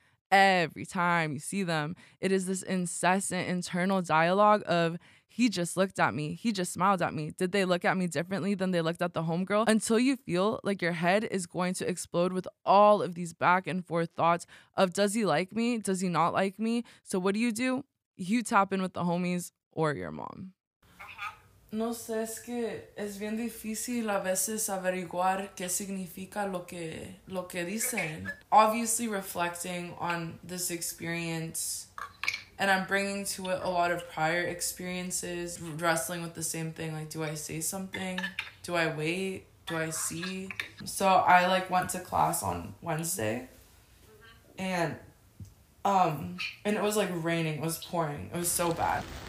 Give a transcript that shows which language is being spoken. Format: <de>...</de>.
<en>Every time you see them, it is this incessant internal dialogue of, he just looked at me. He just smiled at me. Did they look at me differently than they looked at the homegirl? Until you feel like your head is going to explode with all of these back and forth thoughts of, does he like me? Does he not like me? So what do? You tap in with the homies or your mom. Uh-huh.</en> <es>No sé, es que es bien difícil a veces averiguar qué significa lo que dicen.</es> <en>Obviously reflecting on this experience, and I'm bringing to it a lot of prior experiences, wrestling with the same thing, like, do I say something? Do I wait? Do I see? So I, like, went to class on Wednesday, and it was, like, raining. It was pouring. It was so bad.</en>